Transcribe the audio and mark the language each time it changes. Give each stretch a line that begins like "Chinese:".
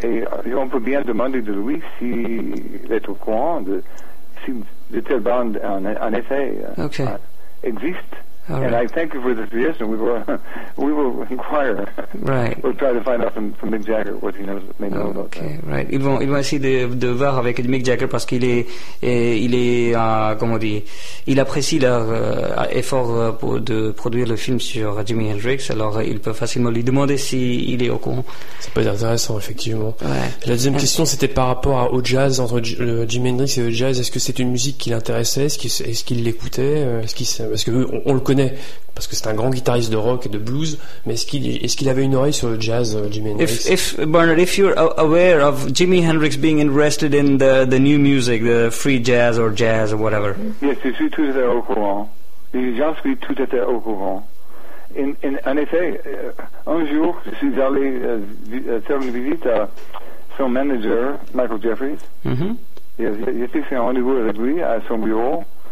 French: Et on peut bien demander de lui s'il est au courant de telle bande en effet existe
English: All right. And I thank you for the suggestion. We will inquire. Right. We'll try to find out from Mick Jagger what he knows, may know about okay. that. Okay. Right.
French: Ils vont essayer de voir avec Mick Jagger parce qu'il apprécie leur effort pour de produire le film sur Jimi Hendrix. Alors il peut facilement lui demander s'il est au courant. Ça peut être intéressant effectivement. Ouais. La deuxième question c'était par rapport au jazz entre Jimi Hendrix et le jazz. Est-ce que c'est une musique qui l'intéressait? Est-ce qu'il l'écoutait? Parce qu'on le connaît parce que c'est un grand guitariste de rock et de blues, mais est-ce qu'il avait une oreille sur le jazz, Jimi Hendrix?
English: Bernard, if you're aware of Jimi Hendrix being interested in the new music, the free jazz or whatever.
French: Yes, je suis tout à fait au courant. J'en suis tout à fait au courant. En effet, un jour, je suis allé faire une visite à son manager, Michael Jeffries. J'ai fait un rendez-vous avec lui à son bureau.